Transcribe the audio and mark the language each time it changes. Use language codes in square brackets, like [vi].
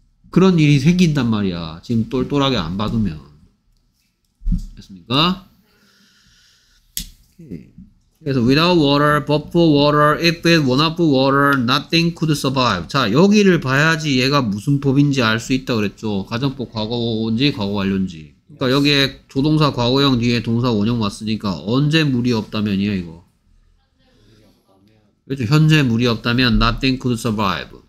[ko] 그런 일이 생긴단 말이야. 지금 똘똘하게 안 받으면. 됐습니까? 그래서 [en] without water, but for water, if it were not for water, nothing could survive. [ko] 자, 여기를 봐야지 얘가 무슨 법인지 알 수 있다 그랬죠. 가정법 과거인지 과거완료인지. 그러니까 여기에 조동사 과거형 뒤에 동사 원형 왔으니까 언제 물이 없다면이야 이거. 그렇죠. 현재 물이 없다면 [en] nothing could survive.